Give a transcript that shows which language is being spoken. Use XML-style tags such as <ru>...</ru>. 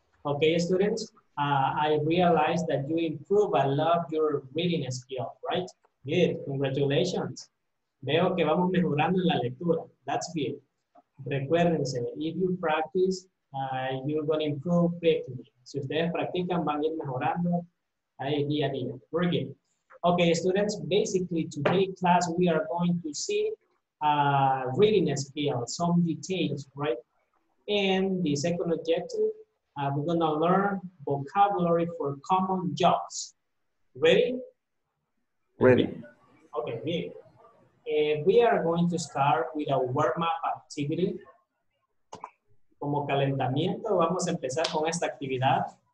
<en>Okay, students, I realize that you improve a lot your reading skill, right? Good, congratulations. Veo que vamos mejorando la lectura. That's good. Recuérdense, if you practice, you're going to improve quickly.</en> <es>Si ustedes practican, van a ir mejorando ahí día a día.</es> <en>Very good. Okay, students, basically, today class, we are going to see reading skills, some details, right? And the second objective, we're going to learn vocabulary for common jobs. Ready? Ready. Okay, good. We are going to start with a warm-up activity.</en> <es>Como calentamiento, vamos a empezar con esta actividad.</es>